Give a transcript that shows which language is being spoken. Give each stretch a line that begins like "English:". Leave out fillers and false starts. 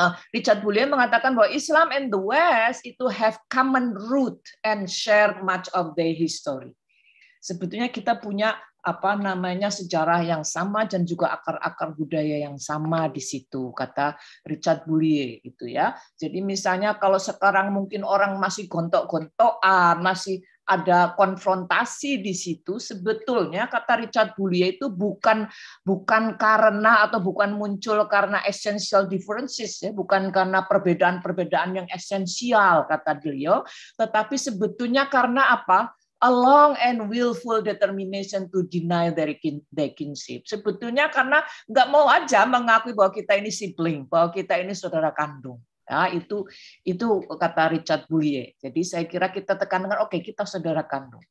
English: Richard Bulia
Indonesian: mengatakan bahwa
English: Islam and the West itu have common root and share much of their history.
Indonesian: Sebetulnya kita punya apa namanya sejarah yang sama dan juga akar-akar budaya yang sama di situ, kata Richard Bulia itu ya. Jadi misalnya kalau sekarang mungkin orang masih gontok-gontokan, masih ada konfrontasi di situ, sebetulnya kata Richard Bulia itu bukan karena atau bukan muncul karena essential differences ya, bukan karena perbedaan-perbedaan yang esensial kata beliau, tetapi sebetulnya karena apa?
English: A long and willful determination to deny their kinship.
Indonesian: Sebetulnya karena nggak mau aja mengakui bahwa kita ini sibling, bahwa kita ini saudara kandung. Ya, itu kata Richard Bulia. Jadi saya kira kita tekankan, okay, kita saudara kandung.